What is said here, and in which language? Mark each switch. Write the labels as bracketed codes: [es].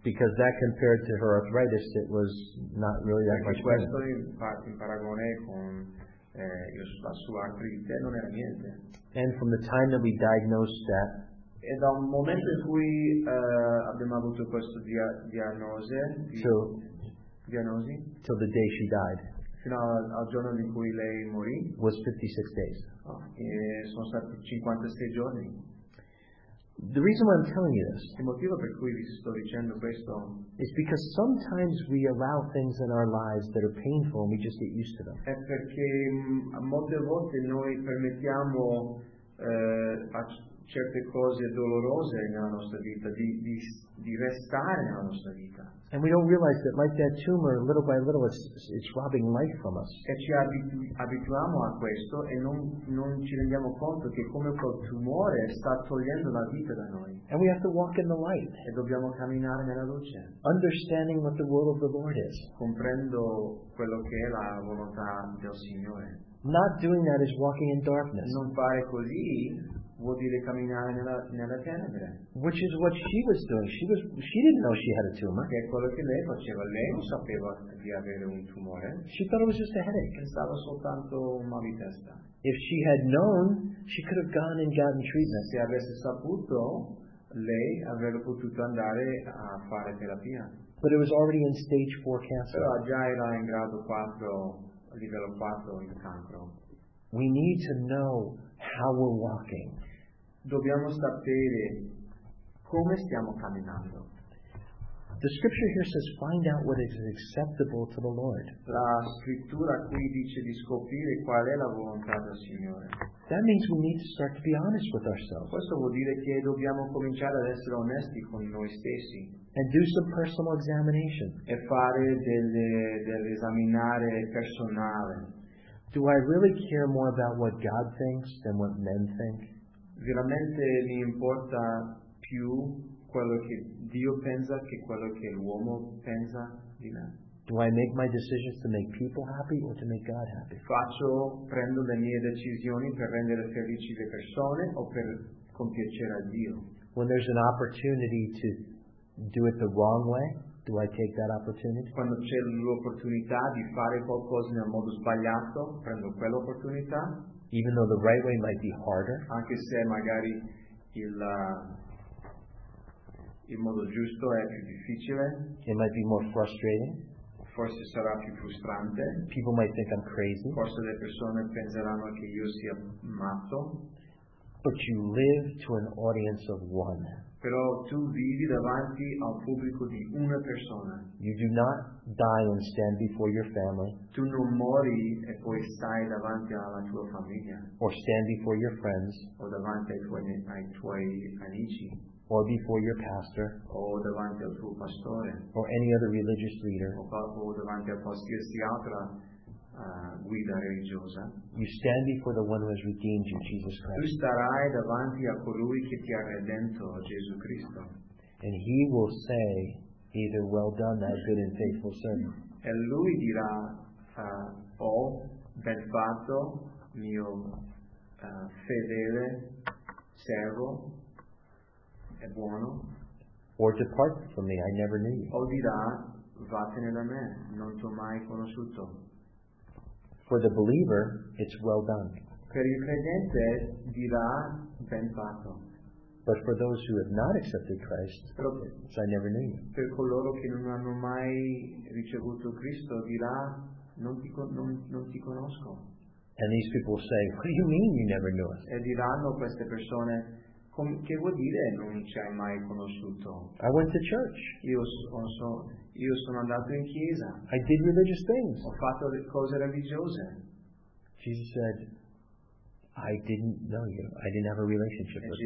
[en] Because that compared to her arthritis, it was not really that much pain. [it] In paragone con la sua artrite, non era niente. [en] And from the time that we diagnosed that, [it] e dal momento in cui abbiamo avuto questa diagnosi, [en] till the day she died, [it] fino al giorno in cui lei morì, [en] was 56 days. [it] E sono stati 56 giorni. [en] The reason why I'm telling you this, [it] il motivo per cui vi sto dicendo questo, [en] is because sometimes we allow things in our lives that are painful and we just get used to them. [it] È perché molte volte noi permettiamo a certe cose dolorose nella nostra vita di restare nella nostra vita. [en] And we don't realize that, like that tumor, little by little, it's robbing life from us. [it] E ci abituiamo a questo e non ci rendiamo conto che come quel tumore sta togliendo la vita da noi. [en] And we have to walk in the light. [it] E dobbiamo camminare nella luce. [en] Understanding what the will of the Lord is. [it] Comprendo quello che è la volontà del Signore. [en] Not doing that is walking in darkness. [it] Non fare così vuol dire camminare nella tenebra. [en] Which is what she was doing. She didn't know she had a tumor. [it] Che è quello che lei faceva. Lei non sapeva di avere un tumore. [en] She thought it was just a headache. [it] Pensava soltanto un mal di testa. [en] If she had known, she could have gone and gotten treatment. [it] Se avesse saputo, lei avrebbe potuto andare a fare terapia. [en] But it was already in stage 4 cancer. [it] Però già era in grado 4, a livello 4 in cancro. [en] We need to know how we're walking. [it] Dobbiamo sapere come stiamo camminando. [en] The scripture here says, find out what is acceptable to the Lord. [it] La scrittura qui dice di scoprire qual è la volontà del Signore. [en] That means we need to start to be honest with ourselves. [it] Questo vuol dire che dobbiamo cominciare ad essere onesti con noi stessi. [en] And do some personal examination. [it] E fare dell'esaminare personale. [en] Do I really care more about what God thinks than what men think? [it] Veramente mi importa più quello che Dio pensa che quello che l'uomo pensa di me? [en] Do I make my decisions to make people happy or to make God happy? [it] Faccio, prendo le mie decisioni per rendere felici le persone o per compiacere a Dio? [en] When there's an opportunity to do it the wrong way, do I take that opportunity? [it] Quando c'è l'opportunità di fare qualcosa nel modo sbagliato, prendo quell'opportunità. [en] Even though the right way might be harder. [it] Anche se magari il modo giusto è più difficile. [en] It might be more frustrating. [it] Forse sarà più frustrante. [en] People might think I'm crazy. [it] Forse le persone penseranno che io sia matto. [en] But you live to an audience of one. [it] Però tu vivi davanti al pubblico di una persona. [en] You do not die and stand before your family. [it] Tu non muori e poi stai davanti alla tua famiglia. [en] Or stand before your friends. [it] O davanti ai tuoi amici. [en] Or before your pastor. [it] O davanti al tuo pastore. [en] Or any other religious leader. [it] O davanti a qualsiasi altra guida religiosa. [en] You stand before the one who has redeemed you, Jesus Christ. [it] Tu starai davanti a colui che ti ha redento, Gesù Cristo. [en] And he will say, either well done, thou good and faithful servant. [it] E lui dirà, oh, ben fatto, mio fedele servo, è buono. [en] Or depart from me, I never knew you. [it] O dirà, vattene da me, non t'ho mai conosciuto. [en] For the believer, it's well done. [it] Per il credente dirà ben fatto. [en] But for those who have not accepted Christ, I never knew you. [it] Per coloro che non hanno mai ricevuto Cristo dirà non ti conosco. [en] And these people say, what do you mean you never knew us? [it] E diranno queste persone, che vuol dire non ci hai mai conosciuto? [en] I went to church. [it] Io sono andato in chiesa. [en] I did religious things. [it] Ho fatto le cose religiose. [en] Jesus said, I didn't know you. I didn't have a relationship with you.